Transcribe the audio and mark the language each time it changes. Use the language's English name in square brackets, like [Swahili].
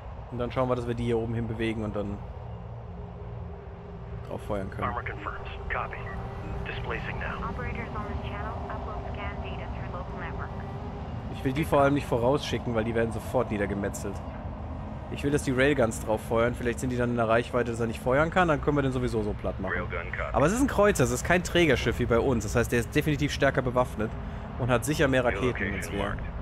[German] Und dann schauen wir, dass wir die hier oben hin bewegen und dann drauf feuern können. [English] Armor confirmed. Copy. Displacing now. Operators on this channel upload scan data through local network. [German] Ich will die vor allem nicht vorausschicken, weil die werden sofort niedergemetzelt. Ich will, dass die Railguns drauf feuern. Vielleicht sind die dann in der Reichweite, dass er nicht feuern kann. Dann können wir den sowieso so platt machen. Aber es ist ein Kreuzer, es ist kein Trägerschiff wie bei uns. Das heißt, der ist definitiv stärker bewaffnet und hat sicher mehr Raketen als wir.